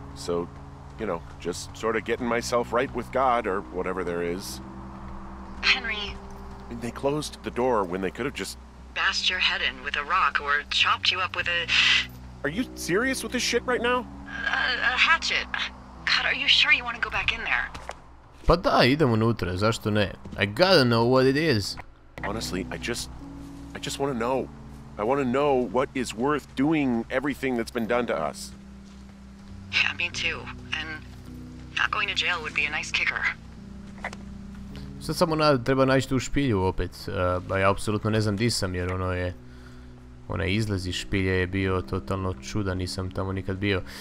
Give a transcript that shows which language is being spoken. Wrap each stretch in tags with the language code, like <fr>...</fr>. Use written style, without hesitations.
<en>So, you know, just sort of getting myself right with God or whatever there is. Henry. They closed the door when they could have just bashed your head in with a rock or chopped you up with a... Are you serious with this shit right now? A hatchet. God, are you sure you want to go back in there?</en> <hr>Pa da, idem unutra, zašto ne?</hr> <en>I gotta know what it is. Honestly, I just want to know. I want to know what is worth doing everything that's been done to us. Yeah, me too. And not going to jail would be a nice kicker.</en> <hr>Sad samo treba naći tu špilju opet, ba ja apsolutno ne znam di sam jer ono je, onaj izlaz iz špilje je bio totalno čuda, nisam tamo nikad bio.</hr>